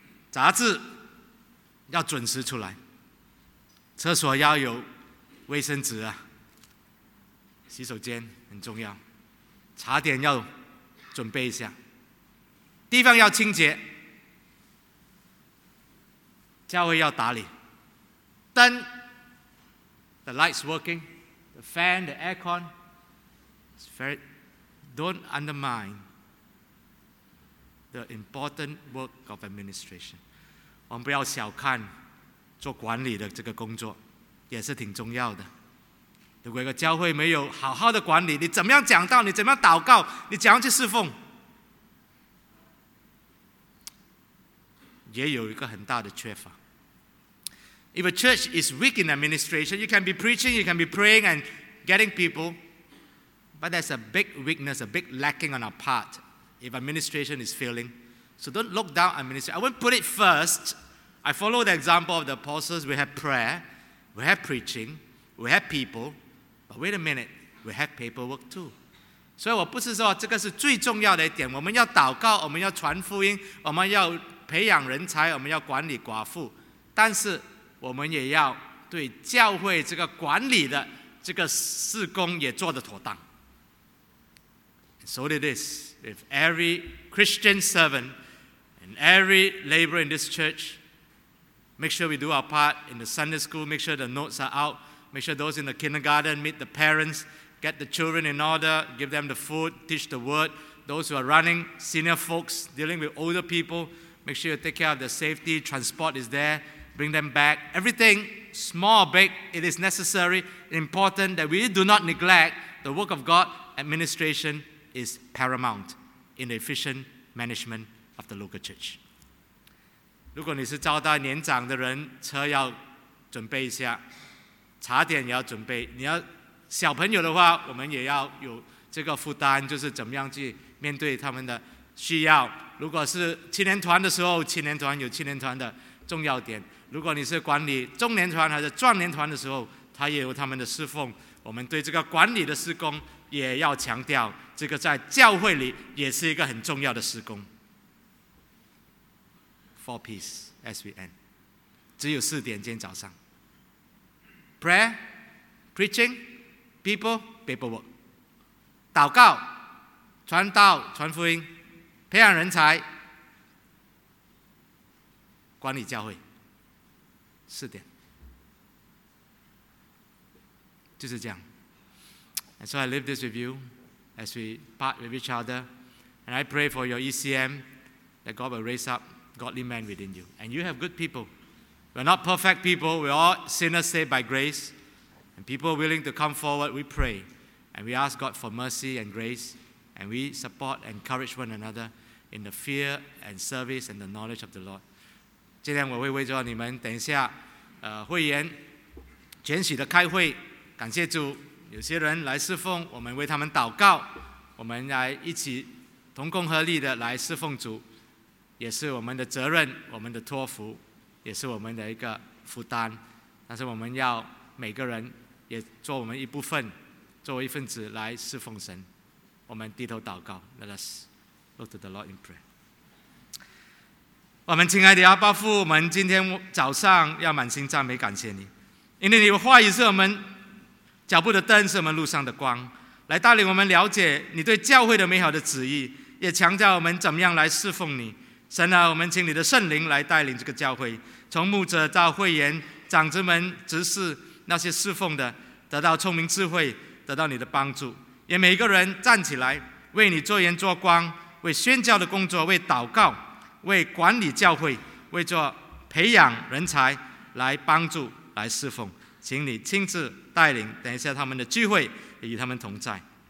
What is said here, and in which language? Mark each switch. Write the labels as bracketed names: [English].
[Chinese] 杂志要准时出来，厕所要有卫生纸啊，洗手间很重要，茶点要准备一下，地方要清洁，教会要打理，灯。 [English] The lights working, the fan, the aircon. It's very, don't undermine the important work of administration. [Chinese] 我们不要小看做管理的这个工作，也是挺重要的。如果一个教会没有好好的管理，你怎么样讲道，你怎么样祷告，你怎样去侍奉，也有一个很大的缺乏。 [English] If a church is weak in administration, you can be preaching, you can be praying and getting people, but there's a big weakness, a big lacking on our part if administration is failing. So don't look down administration. I won't put it first. I follow the example of the apostles. We have prayer, we have preaching, we have people, but wait a minute, we have paperwork too. [Chinese] 所以我不是说这个是最重要的一点，我们要祷告，我们要传福音，我们要培养人才，我们要管理寡妇，但是我们也要对教会这个管理的这个事工也做得妥当。 [English] So it is if every Christian servant and every laborer in this church make sure we do our part in the Sunday school, make sure the notes are out, make sure those in the kindergarten meet the parents, get the children in order, give them the food, teach the word, those who are running, senior folks dealing with older people, make sure you take care of their safety, transport is there,Bring them back. Everything, small or big, it is necessary, important that we do not neglect the work of God. Administration is paramount in the efficient management of the local church. [Chinese] 如果你是招待年长的人，车要准备一下，茶点也要准备。你要小朋友的话，我们也要有这个负担，就是怎么样去面对他们的需要。如果是青年团的时候，青年团有青年团的重要点。如果你是管理中年团还是壮年团的时候，他也有他们的侍奉，我们对这个管理的事工也要强调，这个在教会里也是一个很重要的事工。 [English] 4 P's as we end， [Chinese] 只有四点，今天早上 [English] prayer, preaching, people, paperwork. [Chinese] 祷告、传道、传福音、培养人才、管理教会，四点，就是这样。 [English] And so I leave this with you as we part with each other, and I pray for your ECM that God will raise up godly men within you. And you have good people. We're not perfect people. We're all sinners saved by grace, and people willing to come forward. We pray. And we ask God for mercy and grace, and we support and encourage one another in the fear and service and the knowledge of the Lord. [Chinese] 今天我会为着你们，等一下，会员全体的开会，感谢主，有些人来侍奉，我们为他们祷告，我们来一起同工合力的来侍奉主，也是我们的责任，我们的托付，也是我们的一个负担，但是我们要每个人也做我们一部分。作为一份子来侍奉神，我们低头祷告。 [English] Let us look to the Lord in prayer. [Chinese] 我们亲爱的阿爸父，我们今天早上要满心赞美感谢你，因为你的话语是我们脚步的灯，是我们路上的光，来带领我们了解你对教会的美好的旨意，也强调我们怎么样来侍奉你。神啊，我们请你的圣灵来带领这个教会，从牧者到会员、长子们、执事，那些侍奉的得到聪明智慧，得到你的帮助，也每一个人站起来为你做盐做光，为宣教的工作，为祷告，为管理教会，为做培养人才来帮助来侍奉，请你亲自带领，等一下他们的聚会也与他们同在。